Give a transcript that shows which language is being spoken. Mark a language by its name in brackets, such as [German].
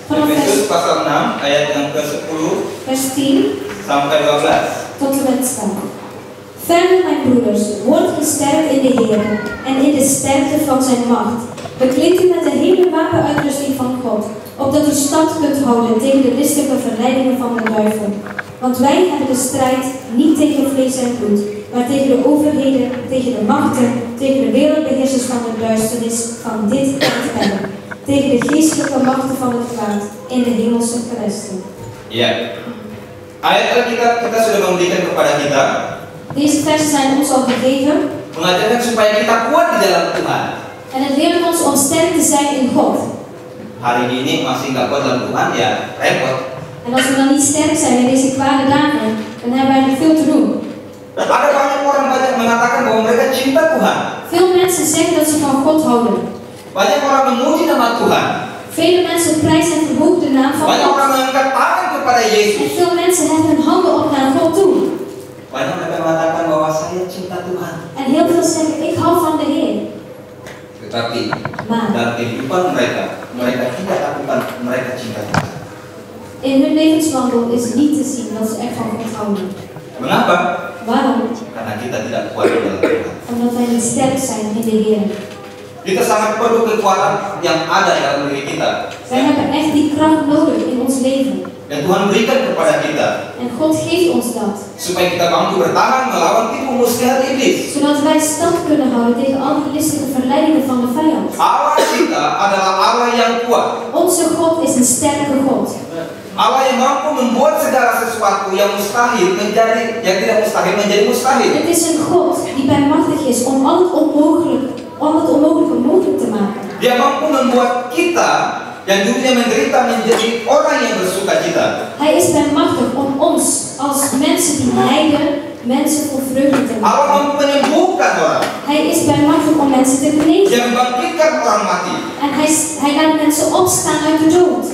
[Indonesian] Efesus pasal 6 ayat yang ke-10. [Dutch] Vers 10. [Indonesian] Sampai 12. [Dutch] Tot 12. Verder, mijn broeders, word gesterkt in de Heer en in de sterkte van zijn macht. Bekleed u met de hele wapenuitrusting van God, opdat u stand kunt houden tegen de listige verleidingen van de duivel. Want wij hebben de strijd niet tegen vlees en bloed, maar tegen de overheden, tegen de machten, tegen de wereldbeheersers van de duisternis van dit tijdperk, tegen de geestelijke machten van het kwaad in de hemelse gewesten. [Indonesian] Ja. Ayat-ayat kita sudah memberikan kepada kita. [Dutch] Deze versen zijn ons al gegeven. [Indonesian] Mengajarkan supaya kita kuat di dalam Tuhan. [Dutch] En het leert ons om sterk te zijn in God. [Indonesian] hari ini masih enggak kuat dalam Tuhan, ya repot. [Dutch] En als we dan niet sterk zijn in deze kwade dagen, dan hebben wij nog veel te doen. [Indonesian] Ada banyak orang banyak mengatakan bahwa mereka cinta Tuhan. [Dutch] Veel mensen zeggen dat ze van God houden. [Indonesian] Banyak orang memuji nama Tuhan. [Dutch] Vele mensen prijzen en verhogen de naam van God. [Indonesian] Banyak orang mengangkat tangan kepada Yesus. [Dutch] Veel mensen hebben hun handen op naar God toe. [Indonesian] Banyak mereka mengatakan bahwa saya cinta Tuhan. [Dutch] En heel veel zeggen ik hou van de Heer. [Indonesian] Tetapi dalam kehidupan mereka, mereka tidak lakukan, mereka cinta Tuhan. [Dutch] In hun levenswandel is niet te zien dat ze echt van God houden. [Indonesian] Mengapa? [Dutch] Waarom? [Indonesian] Karena kita tidak kuat dalam Tuhan. [Dutch] Omdat wij niet sterk zijn in de Heer. [Indonesian] Kita sangat perlu kekuatan yang ada dalam diri kita. [Dutch] Wij hebben echt die kracht nodig in ons leven. [Indonesian] Yang Tuhan berikan kepada kita. [Dutch] En God geeft ons dat. [Indonesian] Supaya kita mampu bertahan melawan tipu muslihat iblis. [Dutch] Zodat wij stand kunnen houden tegen al die listige verleidingen van de vijand. [Indonesian] Allah kita adalah Allah yang kuat. [Dutch] Onze God is een sterke God. [Indonesian] Allah yang mampu membuat segala sesuatu yang mustahil menjadi yang tidak mustahil menjadi mustahil. [Dutch] Het is een God die bij machtig is om al het onmogelijke mogelijk te maken. [Indonesian] Dia mampu membuat kita yang dulunya menderita menjadi orang yang bersuka cita. [Dutch] Hij is bij machtig om ons als mensen die lijden mensen vol vreugde te maken. [Indonesian] Allah mampu menyembuhkan orang. [Dutch] Hij is bij machtig om mensen te genezen. [Indonesian] Dia membangkitkan orang mati. [Dutch] En hij laat mensen opstaan uit de dood.